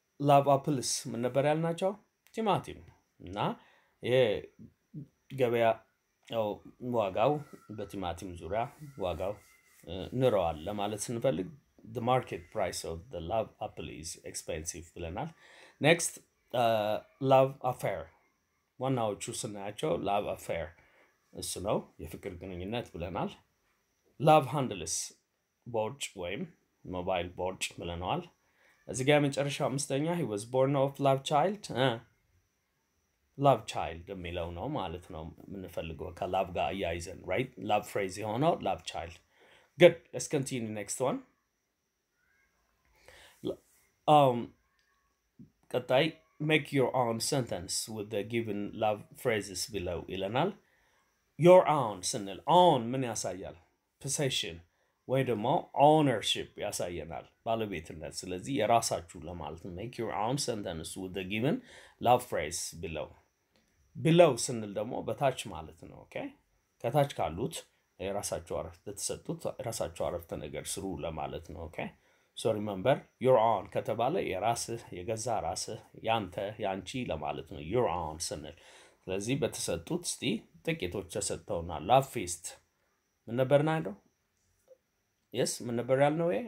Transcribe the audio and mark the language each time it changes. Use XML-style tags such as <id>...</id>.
<am>Love apples ምን ነበር ያልናቸው? ቲማቲም እና የገበያ ዋጋው በቲማቲም ዙሪያ ዋጋው ንረዋል ለማለት ስንፈልግ</am> <en>the market price of the love apple is expensive</en> <am>ብለናል. Next, love affair. ዋናዎቹ ስናያቸው love affair እሱ ነው የፍቅር ግንኙነት ብለናል. Love handles ቦርጭ ወይም ሞባይል ቦርጭ ብለናል. እዚህ ጋ የመጨረሻው አምስተኛ</am> <en>he was born of love child.</en> <am>Love child የሚለው ነው ማለት ነው የምንፈልገው ከላቭ ጋር አያይዘን right?</am> <en>Love phrase የሆነው love child. Good, let's continue next one. ቀጣይ make your own sentence with the given love phrases below ይለናል. Your own</en> <am>ስንል own ምን ያሳያል? Possession ወይ ደግሞ ownership ያሳየናል ባለቤትነት. ስለዚህ የራሳችሁ ለማለት ነው.</am> <en>Make your own sentence with the given love phrase below.</en> <am>Below ስንል ደግሞ በታች ማለት ነው. ኦኬ ከታች ካሉት የራሳችሁ አረፍተ ተሰጡት የራሳችሁ አረፍተ ነገር ስሩ ለማለት ነው. ኦኬ</am> <en>so remember your own</en> <am>ከተባለ የራስህ የገዛ ራስህ ያንተ ያንቺ ለማለት ነው.</am> <en>Your own</en> <am>ስንል ስለዚህ በተሰጡት እስቲ ጥቂቶች ተሰጥተውና love feast ምን ነበር ያለው?</am> <en>Yes,</en> <am>ምን ነበር ያልነው?</am>